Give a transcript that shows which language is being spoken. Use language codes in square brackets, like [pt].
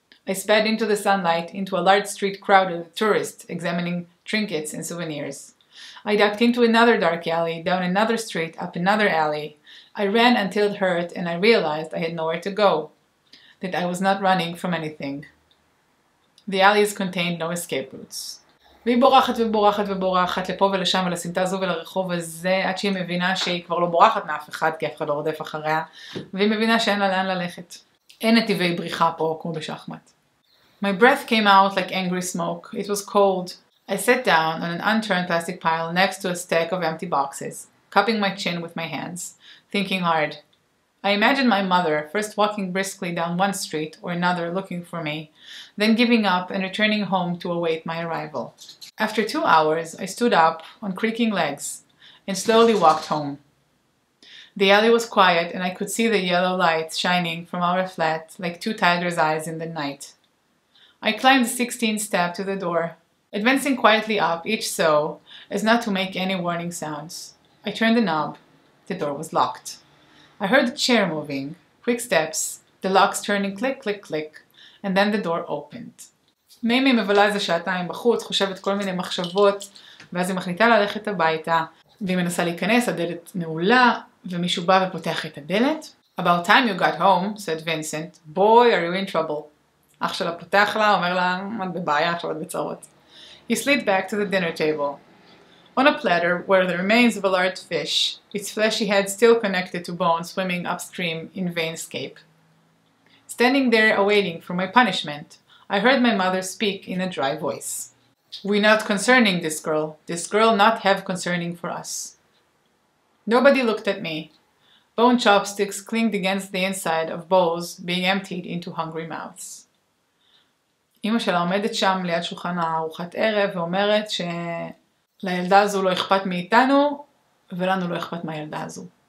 [en] I sped into the sunlight, into a large street crowded with tourists examining trinkets and souvenirs. I ducked into another dark alley, down another street, up another alley. I ran until it hurt and I realized I had nowhere to go, that I was not running from anything. The alleys contained no escape routes. [he] והיא בורחת ובורחת ובורחת לפה ולשם ולסמטה הזו ולרחוב הזה, עד שהיא מבינה שהיא כבר לא בורחת מאף אחד כי אף אחד לא רודף אחריה, והיא מבינה שאין לה לאן ללכת. אין נתיבי בריחה פה כמו בשחמט. [en] My breath came out like angry smoke. It was cold. I sat down on an unturned plastic pile next to a stack of empty boxes, cupping my chin with my hands, thinking hard. I imagined my mother first walking briskly down one street or another looking for me, then giving up and returning home to await my arrival. After 2 hours, I stood up on creaking legs and slowly walked home. The alley was quiet and I could see the yellow lights shining from our flat like two tiger's eyes in the night. I climbed the 16th step to the door, advancing quietly up each so as not to make any warning sounds. I turned the knob. The door was locked. I heard the chair moving, quick steps, the locks turning click, click, click, and then the door opened. [he] מימי מבלה איזה שעתיים בחוץ, חושבת כל מיני מחשבות, ואז היא מחליטה ללכת הביתה, והיא מנסה להיכנס, הדלת נעולה, ומישהו בא ופותח את הדלת. [en] About time you got home, said Vincent, boy, are you in trouble. [he] אח שלה פותח לה, אומר לה, את בבעיה, עכשיו את בצרות. [en] He slid back to the dinner table. On a platter were the remains of a large fish, its fleshy head still connected to bone swimming upstream in veinscape. Standing there awaiting for my punishment, I heard my mother speak in a dry voice. We not concerning this girl. This girl not have concerning for us. Nobody looked at me. Bone chopsticks clinked against the inside of bowls being emptied into hungry mouths. [he] אמא שלה עומדת שם ליד שולחן ארוחת ערב ואומרת ש... לילדה הזו לא אכפת מאיתנו, ולנו לא אכפת מהילדה הזו.